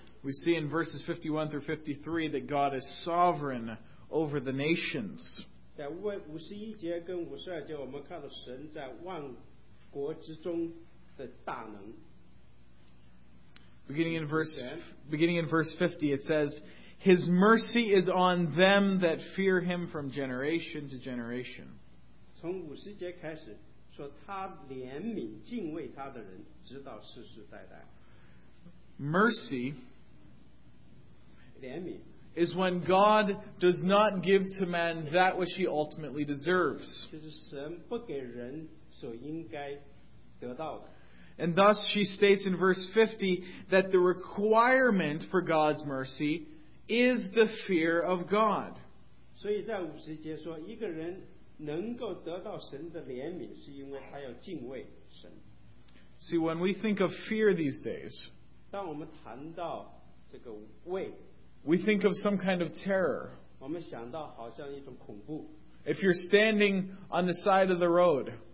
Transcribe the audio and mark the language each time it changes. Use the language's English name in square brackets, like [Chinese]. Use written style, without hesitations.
[English] We see in verses 51 through 53 that God is sovereign over the nations. [Chinese] 51节跟52节, 我们看到神在万国之中的大能。 [English] Beginning in verse 50, it says, His mercy is on them that fear Him from generation to generation. [Chinese] 从50节开始, 说他怜悯敬畏他的人, 直到世世代代。 [English] Mercy [Chinese] 怜悯, [English] is when God does not give to man that which he ultimately deserves. [Chinese] 就是神不给人所应该得到的。 [English] And thus she states in verse 50 that the requirement for God's mercy is the fear of God. [Chinese] 所以在50节说, 一个人能够得到神的怜悯是因为他要敬畏神。 [English] See, when we think of fear these days, [Chinese] 当我们谈到这个畏, [English] we think of some kind of terror. [Chinese] 我们想到好像一种恐怖。 [English] If you're standing on the side of the road,